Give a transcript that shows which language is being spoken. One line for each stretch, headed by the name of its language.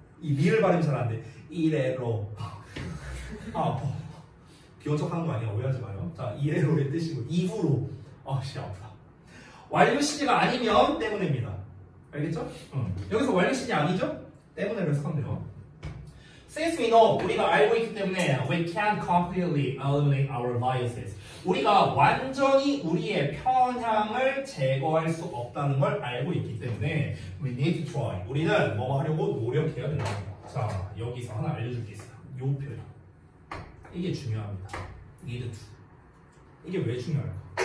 Korean: 이 미를 발음 잘 안 돼. 이래로. 아파. 귀여운 척 하는 거 아니야. 오해하지 마요. 자, 이래로의 뜻이고, 이후로. 아씨, 아파. 완료시제가 아니면 때문입니다. 알겠죠? 여기서 완료시제 아니죠? 때문에를 썼네요.
English: Since we know,
Korean: 우리가 알고 있기 때문에
English: we can't completely eliminate our biases.
Korean: 우리가 완전히 우리의 편향을 제거할 수 없다는 걸 알고 있기 때문에
English: we need to try.
Korean: 우리는 뭐 하려고 노력해야 된다. 자, 여기서 하나 알려줄게요. 이 표현. 이게 중요합니다. Need to. 이게 왜 중요할까?